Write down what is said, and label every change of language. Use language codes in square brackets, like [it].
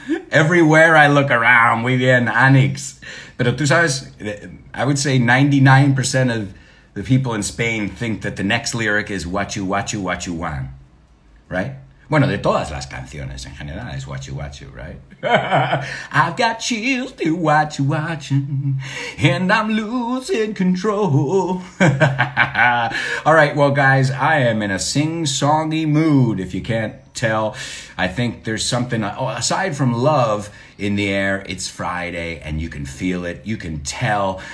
[en] Everywhere I look around, [es] muy bien, [en] Anix. [es] Pero tú sabes, [en] I would say 99% of the people in Spain think that the next lyric is what you want, right? [es] Bueno, de todas las canciones en general es [en] what you, right? I've got chills to what you watching, and I'm losing control. All right, well, guys, I am in a sing-songy mood, if you can't tell. I think there's something, aside from love in the air, it's Friday, and you can feel it, you can tell.